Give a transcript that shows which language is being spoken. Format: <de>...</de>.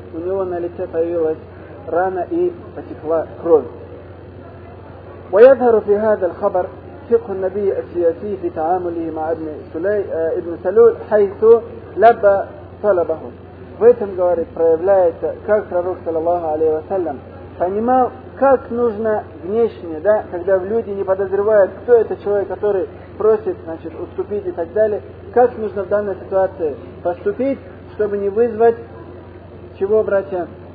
<ru>У него на лице появилась рана и потекла кровь.</ru> <ar>ويظهر في هذا الخبر فقه النبي السياسي في تعامله مع ابن سلول حيث لبى طلبه.</ar> <ru>В этом, говорит, проявляется, как пророк, саллаллаху алейхи ва саллям, понимал, как нужно внешне, да, когда люди не подозревают, кто это человек, который просит, значит, уступить и так далее, как нужно в данной ситуации поступить, чтобы не вызвать чего, братья?</ru>